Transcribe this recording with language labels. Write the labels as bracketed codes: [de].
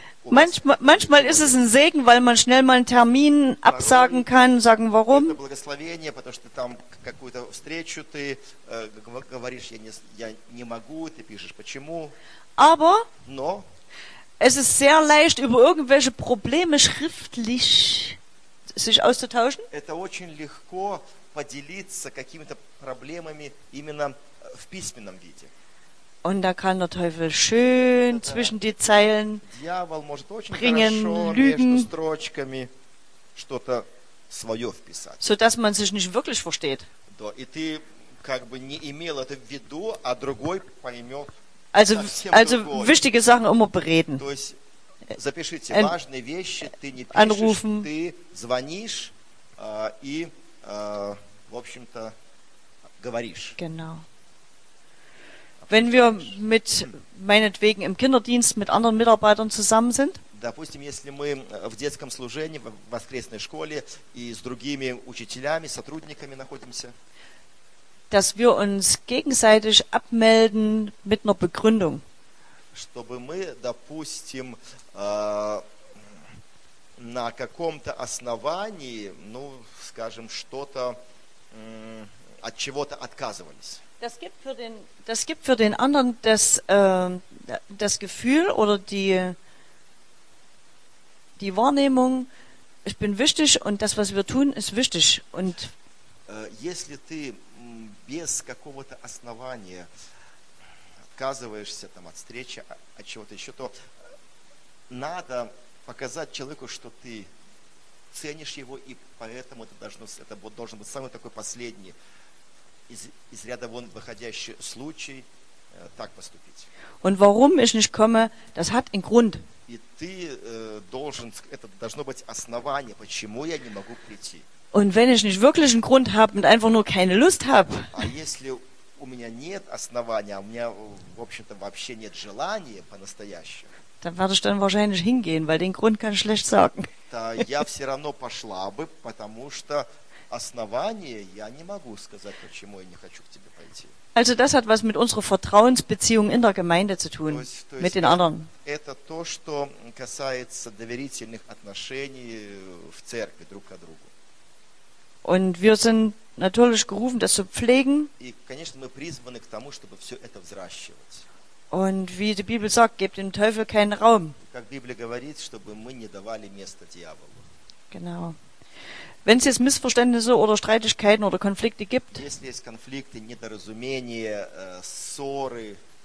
[de] Manchmal ist es ein Segen, weil man schnell mal einen Termin absagen kann, sagen warum. [ru] Это благословение, потому что там какую-то встречу ты говоришь, я не могу, ты пишешь, почему. [de] Aber [ru] Но [de] es ist sehr leicht, über irgendwelche Probleme schriftlich sich auszutauschen. [ru] Это очень легко поделиться какими-то проблемами именно в письменном виде. [de] Und da kann der Teufel schön zwischen die Zeilen bringen, lügen, [ru] что-то свое вписать. [de] Sodass man sich nicht wirklich versteht. [ru] Да, и ты как бы не имел это в виду, а другой поймет. [de] Also wichtige Sachen immer bereden. [ru] То есть запишите важные вещи, ты не пишешь, [de] anrufen. [ru] Ты звонишь и в общем-то говоришь. [de] Genau. Wenn wir mit meinetwegen im Kinderdienst mit anderen Mitarbeitern zusammen sind. [ru] Допустим, если мы в детском служении, в воскресной школе и с другими учителями, сотрудниками находимся. [de] Dass wir uns gegenseitig abmelden mit einer Begründung. [ru] Чтобы мы, допустим, на каком-то основании, ну, скажем, что-то от чего-то отказывались. [de] Das gibt für den anderen das Gefühl oder die Wahrnehmung, ich bin wichtig und das, was wir tun, ist wichtig. Und [ru] если ты без какого-то основания отказываешься там, от встречи, от чего-то еще, то надо показать человеку, что ты ценишь его, и поэтому это должен быть самый такой последний. Из ряда вон выходящий случай так поступить. [de] Und warum ich nicht komme, das hat einen Grund. [ru] И ты должен, это должно быть основание, почему я не могу прийти. [de] Und wenn ich nicht wirklich einen Grund habe und einfach nur keine Lust habe. [ru] А если у меня нет основания, а у меня, в общем-то, вообще нет желания по-настоящему. [de] Dann werde ich dann wahrscheinlich hingehen, weil den Grund kann ich schlecht sagen. [ru] Да, я все равно пошла бы, потому что основание, я не могу сказать, почему я не хочу к тебе пойти. [de] Also das hat was mit unserer Vertrauensbeziehung in der Gemeinde zu tun, [ru] то есть, [de] mit den anderen. [ru] Это то, что касается доверительных отношений в церкви друг к другу. [de] Und wir sind natürlich gerufen, das zu pflegen. [ru] И, конечно, мы призваны к тому, чтобы все это взращивать. [de] Und wie die Bibel sagt, gebt dem Teufel keinen Raum. [ru] Как Библия говорит, чтобы мы не давали место дьяволу. [de] Genau. Wenn es jetzt Missverständnisse oder Streitigkeiten oder Konflikte gibt, [ru] если есть конфликты, недоразумения, ссоры,